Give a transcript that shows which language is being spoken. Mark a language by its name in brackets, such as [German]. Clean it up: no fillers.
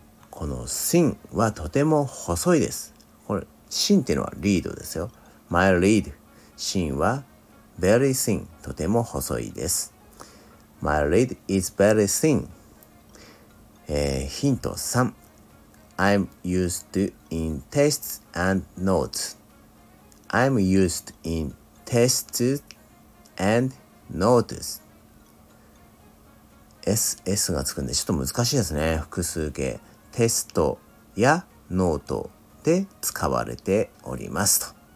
[Japanese] この thin はとても細いです。これ thin っていうのはリードですよ。 [English] My lead、 [Japanese] 芯は [English] very thin、 [Japanese] とても細いです。 [English] My lead is very thin。 [Japanese] ヒント3、 [English] I'm used in tests and notes. [Japanese] SS がつくんでちょっと難しいですね。複数形、テストやノートで使われておりますと。